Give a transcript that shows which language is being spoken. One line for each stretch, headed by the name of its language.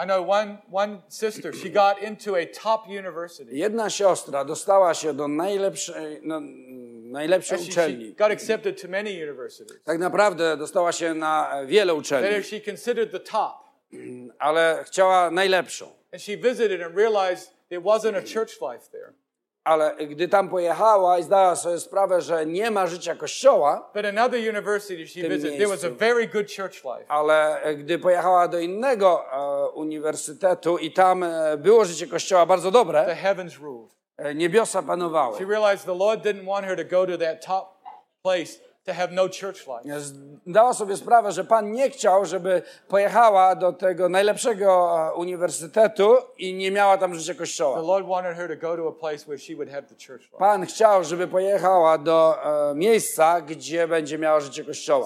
English: I know one sister, she got into a top university.
Polish: Jedna siostra dostała się do najlepszej, najlepszej uczelni.
English: She got accepted to many universities.
Polish: Tak naprawdę dostała się na wiele uczelni.
English: That she considered the top.
Polish: Ale chciała najlepszą.
English: And she visited and realized there wasn't a church life there.
Polish: Ale gdy tam pojechała i zdała sobie sprawę, że nie ma życia kościoła,
English: but another university she visited, there was a very good church life.
Polish: Ale gdy pojechała do innego uniwersytetu i tam było życie kościoła bardzo dobre,
English: the heavens ruled.
Polish: Niebiosa panowały.
English: She realized the Lord didn't want her to go to that top place to have no church life.
Polish: Zdała sobie sprawę, że Pan nie chciał, żeby pojechała do tego najlepszego uniwersytetu i nie miała tam życia kościoła.
English: The Lord wanted her to go to a place where she would have the church life.
Polish: Pan chciał, żeby pojechała do miejsca, gdzie będzie miała życie kościoła.